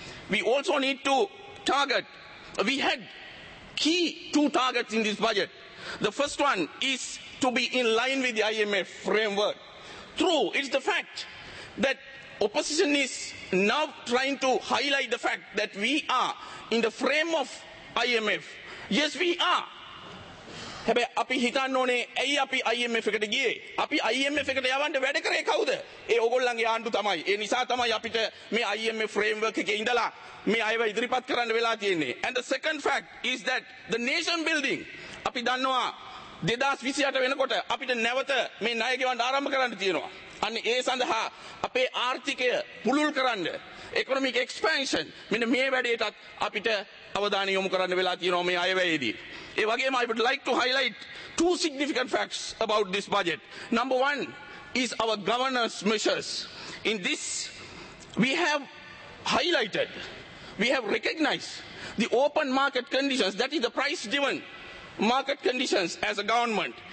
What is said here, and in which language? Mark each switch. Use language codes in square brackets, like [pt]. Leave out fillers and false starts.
[en] We also need to target, we had key two targets in this budget. The first one is to be in line with the IMF framework. True, it's the fact that opposition is now trying to highlight the fact that we are in the frame of IMF, Yes, we are. [si] හැබැයි අපි හිතන්න ඕනේ ඇයි අපි IMF එකට ගියේ? අපි IMF එකට යවන්න වැඩ කරේ කවුද? ඒ ඕගොල්ලන්ගේ ආණ්ඩු තමයි. ඒ නිසා තමයි අපිට මේ IMF framework එකේ ඉඳලා මේ අයව ඉදිරිපත් කරන්න වෙලා තියෙන්නේ. [en] And the second fact is that the nation building [si] අපි දන්නවා 2028 වෙනකොට අපිට නැවත මේ ණය ගෙවන්න ආරම්භ කරන්න තියෙනවා. අන්න ඒ සඳහා අපේ ආර්ථිකය පුළුල් කරන්න [en] economic expansion [si] මෙන්න මේ වැඩේටත් අපිට අවධානය යොමු කරන්න වෙලා තියෙනවා මේ අයවැයේදී. ඒ වගේම [en] I would like to highlight two significant facts about this budget. Number one is our governance measures. In this we have highlighted, we have recognized the open market conditions, that is the price driven market conditions as a government.